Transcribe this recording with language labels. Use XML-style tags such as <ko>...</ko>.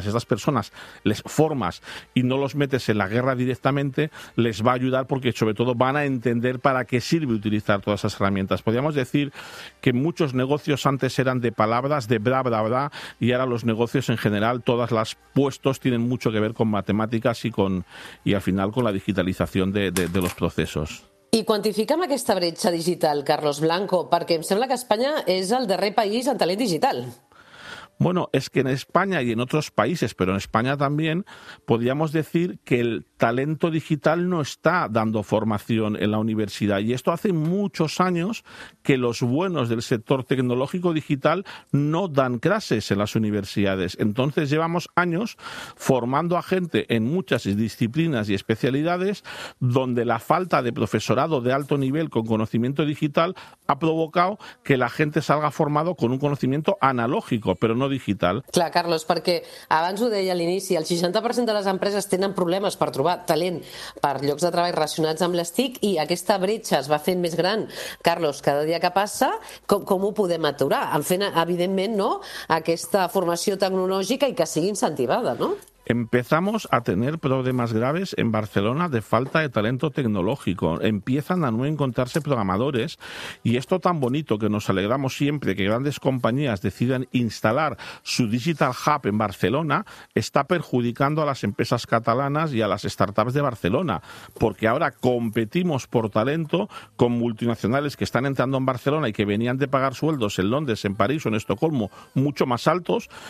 <es>Si estas personas les formas y no los metes en la guerra directamente, les va a ayudar porque sobre todo van a entender para qué sirve utilizar todas esas herramientas. Podríamos decir que muchos negocios antes eran de palabras, de bla, bla, bla, y ahora los negocios en general, todas las puestos tienen mucho que ver con matemáticas y al final con la digitalización de los procesos.</es> <ca>I quantifica'm aquesta bretxa digital, Carlos Blanco, perquè em sembla que Espanya és el darrer país en talent digital.</ca> <es>Bueno, es que en España y en otros países, pero en España también, podríamos decir que el talento digital no está dando formación en la universidad. Y esto hace muchos años que los buenos del sector tecnológico digital no dan clases en las universidades. Entonces llevamos años formando a gente en muchas disciplinas y especialidades donde la falta de profesorado de alto nivel con conocimiento digital ha provocado que la gente salga formado con un conocimiento analógico, pero no digital.</es> <ca>Clar, Carlos, perquè abans ho deia a l'inici, el 60% de les empreses tenen problemes per trobar talent per llocs de treball relacionats amb les TIC i aquesta bretxa es va fent més gran. Carlos, cada dia que passa, com ho podem aturar? En fent, evidentment, no, aquesta formació tecnològica i que sigui incentivada, no?</ca> <es>Empezamos a tener problemas graves en Barcelona de falta de talento tecnológico. Empiezan a no encontrarse programadores, y esto tan bonito que nos alegramos siempre que grandes compañías decidan instalar su Digital Hub en Barcelona, está perjudicando a las empresas catalanas y a las startups de Barcelona, porque ahora competimos por talento con multinacionales que están entrando en Barcelona y que venían de pagar sueldos en Londres, en París o en Estocolmo mucho más altos,</es>